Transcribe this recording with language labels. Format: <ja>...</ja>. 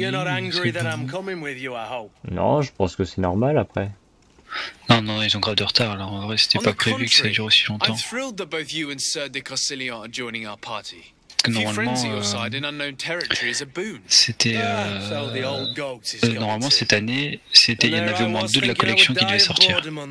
<en>You're not angry that I'm coming with you, I hope.</en> <fr>Non, je pense que c'est normal après. Non, non, ils ont grave de retard, alors en vrai, c'était pas prévu que ça dure aussi longtemps.</fr> <en>I'm thrilled that both you and Sir de Corsillon are joining our party.</en> <fr>Normalement, normalement, cette année, c'était, il y en avait au moins deux de la collection qui devaient sortir.</fr>